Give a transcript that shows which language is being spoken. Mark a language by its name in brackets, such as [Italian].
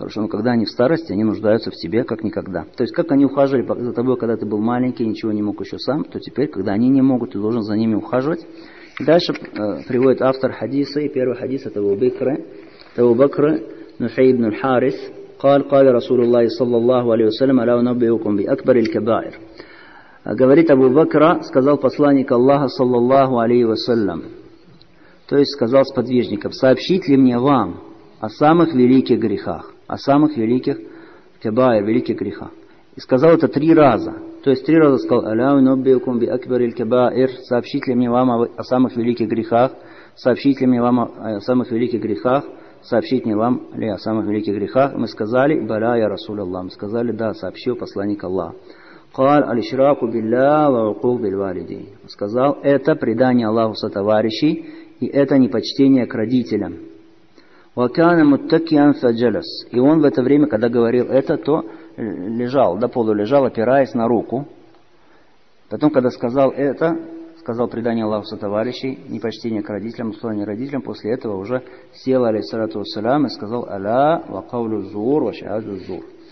[Russian] Хорошо, но когда они в старости, они нуждаются в тебе, как никогда. То есть, как они ухаживали за тобой, когда ты был маленький, ничего не мог еще сам, то теперь, когда они не могут, ты должен за ними ухаживать. Дальше приводит автор хадиса, и первый хадис это Абу Бакра, Нухей ибн Харис. [Arabic] قال رسول الله صلى الله عليه وسلم لا نبيكم بأكبر الكبائر. [Russian] Говорит Абу Бакр, сказал посланник Аллаха [Arabic] صلى الله عليه وسلم, [Russian] то есть сказал сподвижникам: сообщить ли мне вам о самых великих грехах, о самых великих кебаир, великих грехах. И сказал это три раза. То есть три раза сказал: [Arabic] «Ля унуббикум би акбар аль-кабаир», [Russian] сообщить ли мне вам о самых великих грехах, сообщить ли мне вам о самых великих грехах, сообщить мне вам ли о самых великих грехах. Мы сказали: [Arabic] «Баля, я Расул Аллах». [Russian] Мы сказали: «Да, сообщил посланник Аллах». [Arabic] قال الاشراك بالله وعقوق بالوالدين. [Russian] Сказал: это предание Аллаху сотоварищей, и это непочтение к родителям. [Arabic] وَكَانَ مُتَّكِيًا فَجَلَسْ. [Russian] И он в это время, когда говорил это, то лежал, до полу лежал, опираясь на руку. Потом, когда сказал это, сказал предание Аллаху сотоварищей, непочтение к родителям, условия родителям, после этого уже сел, [Arabic] алейхиссалату вассалям, [Russian] и сказал [Arabic] «Аля ва кавлю зур ва шааду зур».